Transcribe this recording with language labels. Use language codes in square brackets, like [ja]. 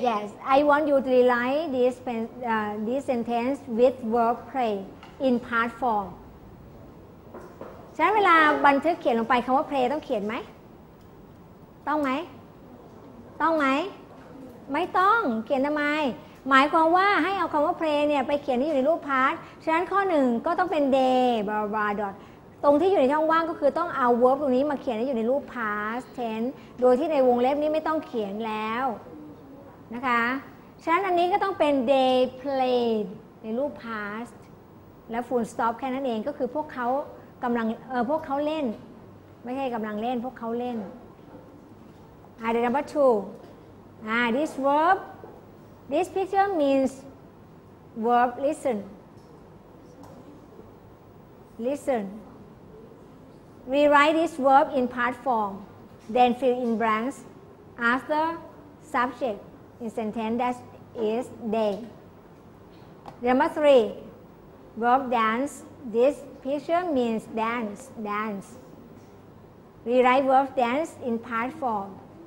[en] Yes, I want you to rely this this sentence with verb play in past form. [th] ฉะนั้นเวลาบันทึกเขียนลงไปคำว่า play ต้องเขียนไหมต้องไหมต้องไหมไม่ต้องเขียนทำไมหมายความว่าให้เอาคำว่า play เนี่ยไปเขียนที่อยู่ในรูป past. ฉะนั้นข้อหนึ่งก็ต้องเป็น [en] day blah blah blah dot. [th] ตรงที่อยู่ในช่องว่างก็คือต้องเอา verb ตรงนี้มาเขียนให้อยู่ในรูป past tense โดยที่ในวงเล็บนี้ไม่ต้องเขียนแล้ว นะคะฉะนั้นอันนี้ก็ต้องเป็น [en] they played [th] ในรูป past และ full stop แค่นั้นเองก็คือพวกเขากำลังพวกเขาเล่น ไม่ใช่กำลังเล่นพวกเขาเล่น [en] number two this verb this picture means verb listen Rewrite this verb in past form, then fill in blanks after subject in sentence that is they. Number three, verb dance. This picture means dance. Rewrite verb dance in past form.